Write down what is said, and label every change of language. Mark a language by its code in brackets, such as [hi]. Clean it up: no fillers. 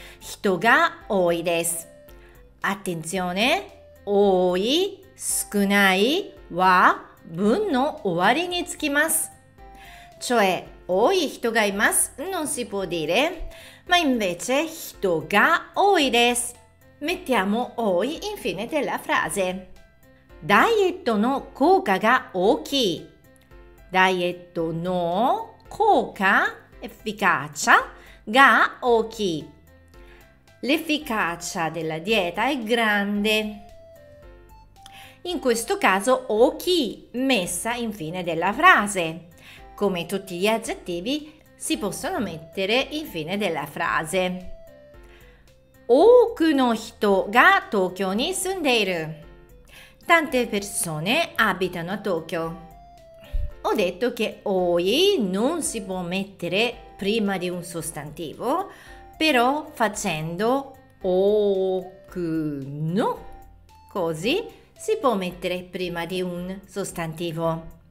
[ja] Hito ga oi desu. [it] Attenzione, [ja] oi, sukunai, wa, bun no owari ni tsukimasu. [it] Cioè, [ja] oi hito ga imasu, [it] non si può dire, ma invece [ja] hito ga oi desu. [it] Mettiamo oi in fine della frase. [ja] Daietto no kouka ga ookii. ダイエットの効果、efficacia が大きい。 [it] L'efficacia della dieta è grande. In questo caso, 大きい messa in fine della frase. Come tutti gli aggettivi, si possono mettere in fine della frase. [ja] 多くの人が東京に住んでいる。 [it] Tante persone abitano a Tokyo. Ho detto che oi non si può mettere prima di un sostantivo, però facendo okuno, così si può mettere prima di un sostantivo.